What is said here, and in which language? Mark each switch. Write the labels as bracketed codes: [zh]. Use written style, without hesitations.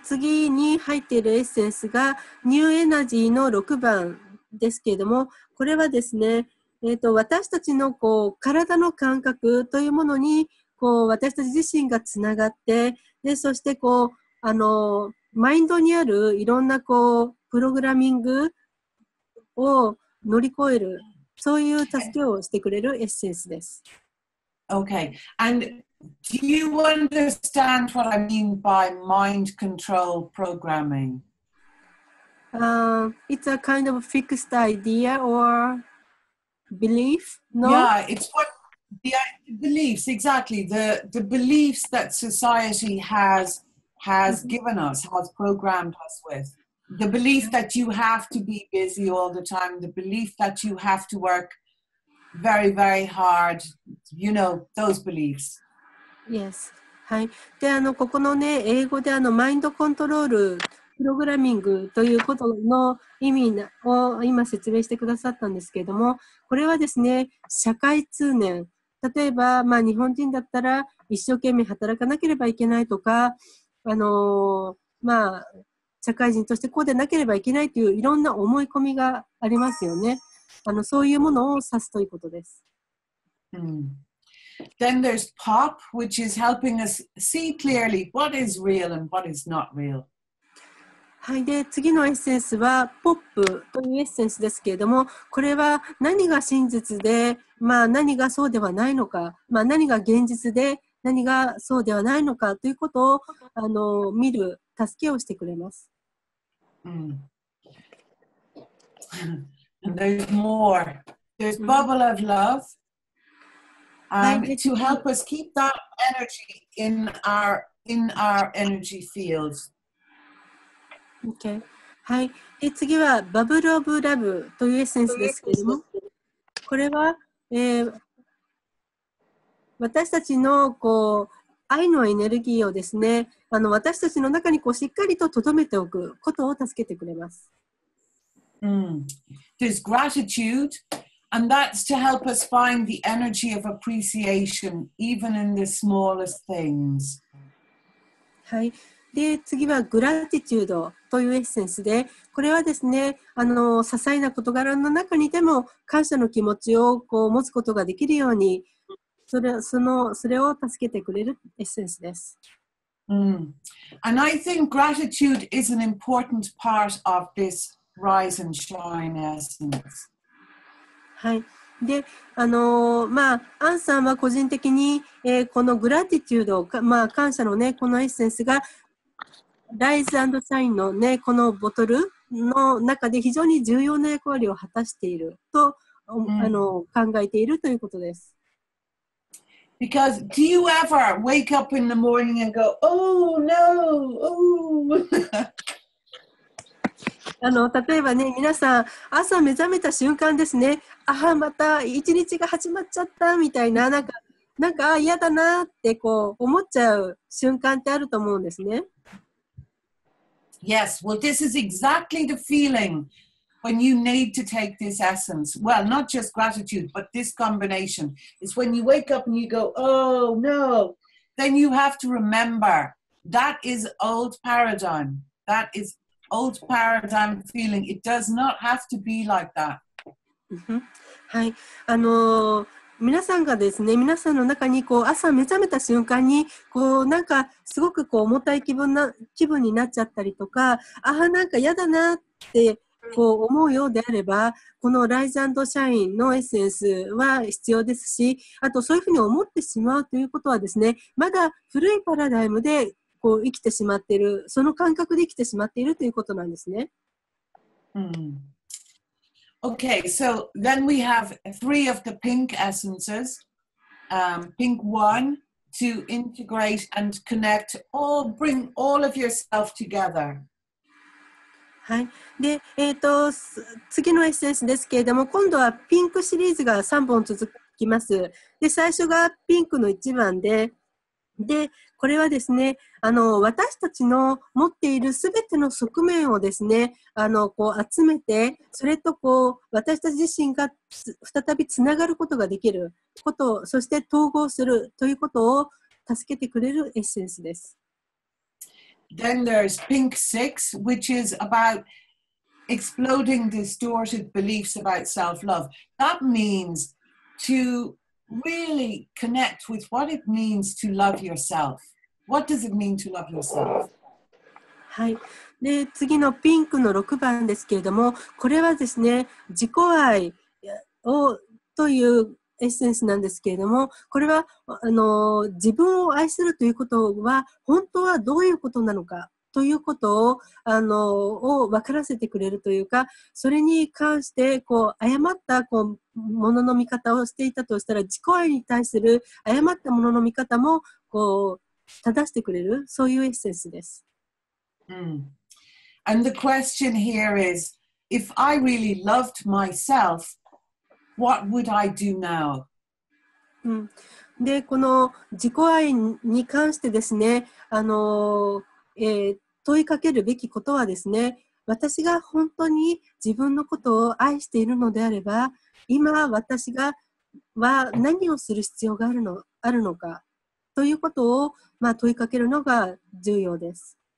[ja] 次に入っているエッセンスがニューエナジーの6番ですけれども、これはですね、私たちのこう体の感覚というものにこう私たち自身がつながって、でそしてこうマインドにあるいろんなこうプログラミングを乗り越える。そういう助けをしてくれるエッセンスです。 [en] Okay. And do you understand what I mean by mind control programming? It's a kind of a fixed idea or belief, no? Yeah, it's what the beliefs, exactly. The beliefs that society has given us, has programmed us with. The belief that you have to be busy all the time, the belief that you have to work very, very hard, you know, those beliefs. Yes. はい。 [ja] で、ここのね、英語でマインドコントロール、プログラミングということの意味を今説明してくださったんですけれども、これはですね、社会通念。例えば、日本人だったら一生懸命働かなければいけないとか、社会人としてこうでなければいけないといういろんな思い込みがありますよね。そういうものを指すということです。 [en] Then there's pop, which is helping us see clearly what is real and what is not real. [ja] はい、で、次のエッセンスは pop というエッセンスですけれども、これは何が真実で、何がそうではないのか、何が現実で、何がそうではないのかということを見る。助けをしてくれます。 [en] And there's more. There's bubble of love. To help us keep that energy in our energy fields. Okay. はい。 [ja] で、次はバブルオブラブというエッセンスですけれども、これは、私たちのこう愛のエネルギーをですね、私たちの中にこうしっかりと留めておくことを助けてくれます。 [en] There's gratitude, and that's to help us find the energy of appreciation, even in the smallest things. [ja] はい。で、次は gratitude というエッセンスで、これはですね、些細な事柄の中にでも感謝の気持ちをこう持つことができるように、それを助けてくれるエッセンスです。 [en] And I think gratitude is an important part of this rise and shine essence. [ja] はい。で、アンさんは個人的に、このグラティチュード、感謝のね、このエッセンスが、ライズ&シャインのね、このボトルの中で非常に重要な役割を果たしていると、考えているということです。 [en] Because do you ever wake up in the morning and go, oh no, oh? [ja] 例えばね、皆さん、朝目覚めた瞬間ですね、ああ、また一日が始まっちゃったみたいな、なんか嫌だなってこう思っちゃう瞬間ってあると思うんですね。 [en] Yes, well, this is exactly the feeling when you need to take this essence. Well, not just gratitude, but this combination. It's when you wake up and you go, oh no, then you have to remember that is old paradigm. That is old paradigm feeling. It does not have to be like that. [ja] はい、皆さんがですね、皆さんの中にこう朝目覚めた瞬間にこうなんかすごくこう重たい気分になっちゃったりとか、ああなんか嫌だなってこう思うようであれば、このライズ&シャインのエッセンスは必要ですし、あとそういうふうに思ってしまうということはですね、まだ古いパラダイムでこう生きてしまっている、その感覚で生きてしまっているということなんですね。 [en] Okay, so then we have three of the pink essences. Pink one, to integrate and connect, all bring all of yourself together. [ja] はい。で、次のエッセンスですけれども、今度はピンクシリーズが3本続きます。で、最初がピンクの1番で、で、これはですね、私たちの持っているすべての側面をですね、こう集めて、それとこう私たち自身が再びつながることができることを、そして統合するということを助けてくれるエッセンスです。 [en] Then there's pink six, which is about exploding distorted beliefs about self-love. That means to really connect with what it means to love yourself. What does it mean to love yourself? [ja] はい。で、次のピンクの6番ですけれども、これはですね、自己愛をというエッセンスなんですけれども、これは自分を愛するということは本当はどういうことなのかということを分からせてくれるというか、それに関してこう誤ったこうものの見方をしていたとしたら、自己愛に対する誤ったものの見方もこう正してくれる、そういうエッセンスです。 Mm. [en] And the question here is, if I really loved myself,What would I do now? [ja] で、この自己愛に関してですね、問いかけるべきことはですね、私が本当に自分のことを愛しているのであれば、今私が、は何をする必要があるのかということを、まあ、問いかけるのが重要です。